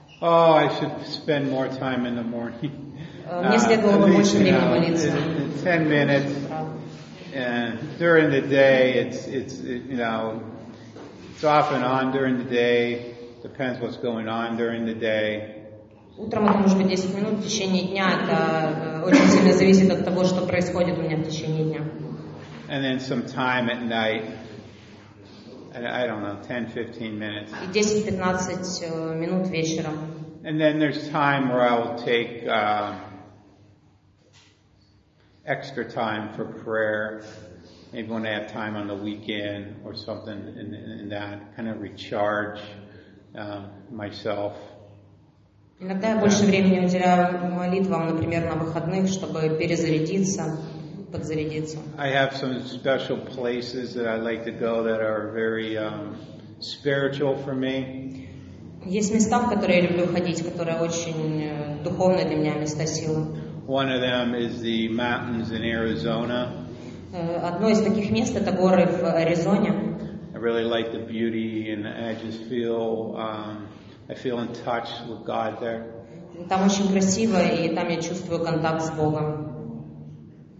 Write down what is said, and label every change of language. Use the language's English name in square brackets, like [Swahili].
[English] Oh, I should spend more time in the morning. [Russian] Мне следовало бы больше времени молиться. [English] 10 minutes. And during the day, it's off and on during the day. Depends what's going on during the day. [Russian] Утром это может быть 10 минут, в течение дня это очень сильно зависит от того, что происходит у меня в течение дня. [English] And then some time at night. I don't know, 10-15 minutes. [Russian] И 10-15 минут вечером. [English] And then there's time where I will take extra time for prayer. Maybe when I have time on the weekend or something in that, kind of recharge myself. [Russian] Иногда я больше времени уделяю молитвам, например, на выходных, чтобы перезарядиться, подзарядиться. [English] I have some special places that I like to go that are very spiritual for me. [Russian] Есть места, в которые я люблю ходить, которые очень духовные для меня места силы. [English] One of them is the mountains in Arizona. [Russian] Одно из таких мест — это горы в Аризоне. [English] I really like the beauty, and I just feel I feel in touch with God there. [Russian] Там очень красиво, и там я чувствую контакт с Богом.